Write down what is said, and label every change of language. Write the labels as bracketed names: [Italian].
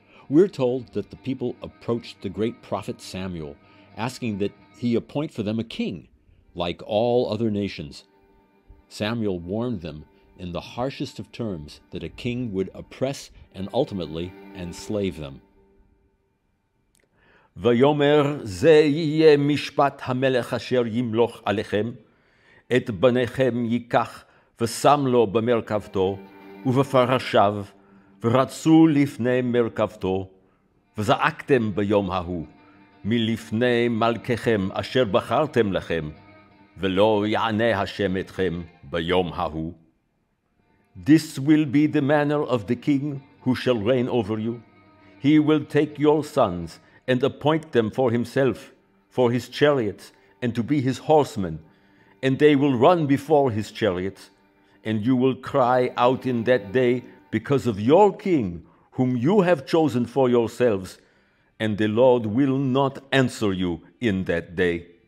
[English] We're told that the people approached the great prophet Samuel, asking that he appoint for them a king, like all other nations. Samuel warned them in the harshest of terms that a king would oppress and ultimately enslave them. [Hebrew] ויאמר זה יהיה משפט המלך אשר ימלוך עליכם, את בניכם ייקח ושם לו במרכבתו ובפרשיו, ורצו לפני מרכבתו, וזעקתם ביום ההוא מלפני מלככם אשר בחרתם לכם, ולא יענה השם אתכם ביום ההוא. [English] This will be the manner of the king who shall reign over you. He will take your sons and appoint them for himself, for his chariots, and to be his horsemen, and they will run before his chariots, and you will cry out in that day because of your king, whom you have chosen for yourselves, and the Lord will not answer you in that day.